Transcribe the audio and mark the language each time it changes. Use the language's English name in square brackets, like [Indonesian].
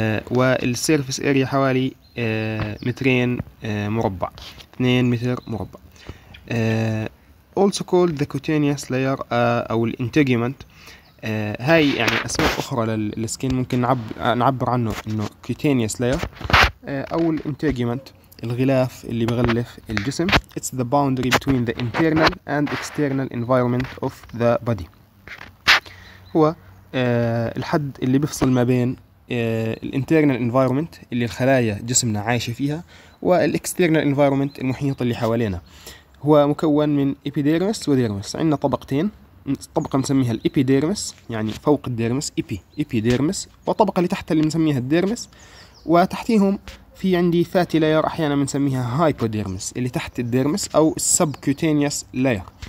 [Arabic] والسيرفس اريا حوالي مترين مربع 2 متر مربع. [English] Also called the cutaneous layer [Arabic] أو الانتجمنت. هاي يعني أسماء أخرى للسكين ممكن نعبر عنه إنه cutaneous layer أو الانتجمنت الغلاف اللي بغلف الجسم. [English] It's the boundary between the internal and external environment of the body. [Arabic] هو الحد اللي بيفصل ما بين الانترنال انفايرومنت اللي الخلايا جسمنا عايشة فيها والاكسترنال انفايرومنت المحيط اللي حوالينا. هو مكون من إبيديرمس وديرمس. عندنا طبقتين، طبقة نسميها الإبيديرمس يعني فوق الديرمس إبيديرمس، وطبقة اللي تحتها اللي نسميها الديرمس، وتحتهم في عندي فاتي لاير أحيانا نسميها هايبوديرمس اللي تحت الديرمس أو السبكوتينيوس لاير.